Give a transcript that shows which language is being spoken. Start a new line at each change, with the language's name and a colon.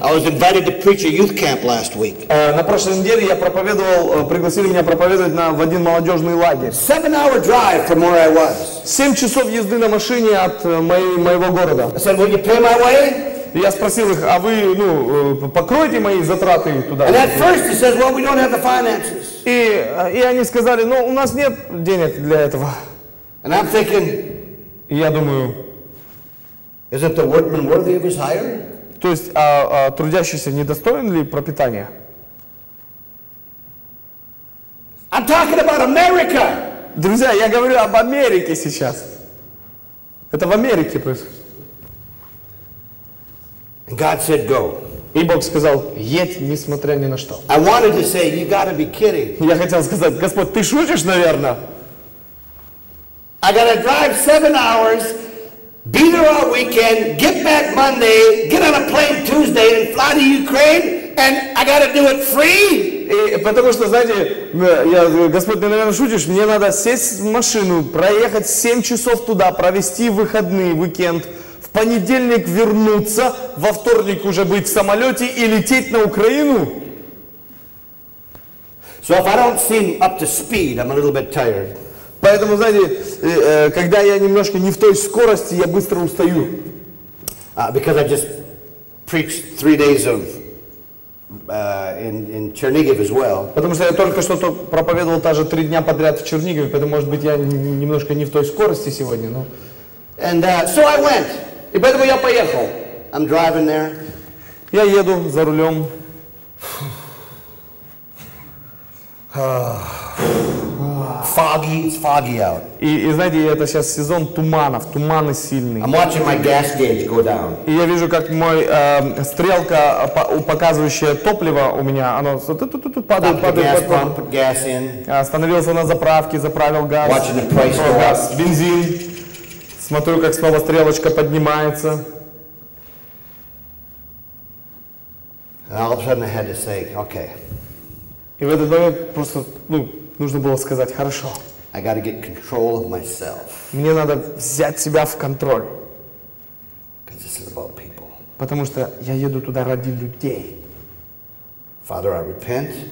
English: I was invited to preach a youth camp last week.
Russian: На прошлой неделе я проповедовал, пригласили меня проповедовать в один молодежный лагерь.
English: 7-hour drive from where I was.
Russian: 7 часов езды на машине от моего города.
English: I said, will you pay my way?
Russian: И я спросил их, а вы, покроете мои затраты туда?
English: And at first he says, well, we don't have the finances.
Russian: И они сказали, у нас нет денег для этого.
English: And I'm thinking,
Russian: и я думаю,
English: isn't the workman worthy of his hire?
Russian: То есть, трудящийся недостоин ли пропитания?
English: I'm talking about America.
Russian: Друзья, я говорю об Америке сейчас. Это в Америке происходит.
English: And God said, "Go."
Russian: И Бог сказал, едь, несмотря ни на что.
English: I wanted to say, "You gotta be kidding."
Russian: Я хотел сказать, Господь, ты шутишь, наверное.
English: I gotta drive 7 hours, be there all weekend, get back Monday, get on a plane Tuesday, and fly to Ukraine, and I gotta do it free?
Russian: И потому что, знаете, Господь, ты, наверное, шутишь, мне надо сесть в машину, проехать 7 часов туда, провести выходные, уикенд. Понедельник вернуться, во вторник уже быть в самолете и лететь на Украину.
English: So if I don't seem up to speed, I'm a little bit tired.
Russian: Поэтому, знаете, когда я немножко не в той скорости, я быстро устаю.
English: Because I just preached 3 days of in Chernigov as well.
Russian: Потому что я только что проповедовал даже 3 дня подряд в Чернигове, поэтому, может быть, я немножко не в той скорости сегодня. Но...
English: And so I went.
Russian: И поэтому я поехал.
English: I'm driving there.
Russian: Я еду за рулем.
English: Foggy, it's foggy out.
Russian: И знаете, это сейчас сезон туманов, туманы сильные.
English: I'm watching my gas gauge go down.
Russian: И я вижу, как мой стрелка, показывающая топливо у меня, оно падает. Остановился на заправке, заправил газ.
English: Watching the price go up.
Russian: Бензин. Смотрю, как снова стрелочка поднимается.
English: And all of a sudden I had to say, okay.
Russian: И в этот момент просто, ну, нужно было сказать, хорошо.
English: I gotta get control of myself.
Russian: Мне надо взять себя в контроль.
English: Because this is about people.
Russian: Потому что я еду туда ради людей.
English: Father, I repent.